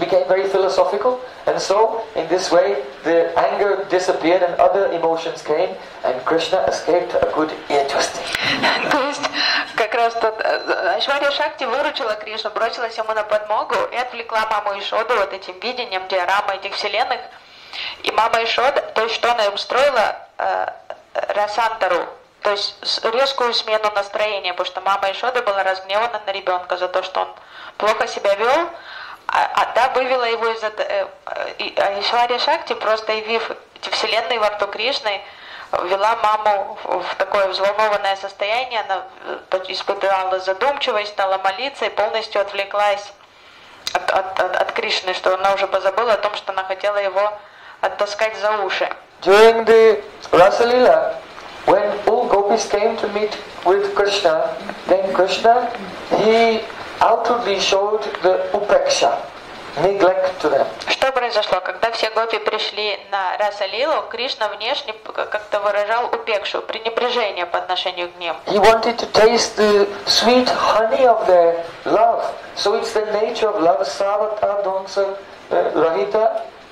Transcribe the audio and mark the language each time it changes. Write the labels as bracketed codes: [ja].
[en] She became very philosophical, and so in this way the anger disappeared and other emotions came, and Krishna escaped a good ear twisting. [ru] То есть как раз тут Ашварья Шакти выручила Кришну, бросилась ему на подмогу и отвлекла маму Ишоду вот этим видением диорамы этих вселенных. И мама Ишода, то есть что она им строила, расантару, то есть резкую смену настроения, потому что мама Ишода была разгневана на ребенка за то, что он плохо себя вел, а та вывела его из этого. Ишвария Шакти, просто явив эти вселенные во рту Кришны, вела маму в такое взволнованное состояние, она испытывала задумчивость, стала молиться и полностью отвлеклась от Кришны, что она уже позабыла о том, что она хотела его оттаскать за уши. [en] During the Rasalila, when all gopis came to meet with Krishna, then Krishna, he outwardly showed the upeksha, neglect to them. [ru] Что произошло, когда все гопи пришли на Расалилу, Кришна внешне как-то выражал упекшу, пренебрежение по отношению к ним. [en] He wanted to taste the sweet honey of their love. So it's the nature of love, savata dvangsa rahita.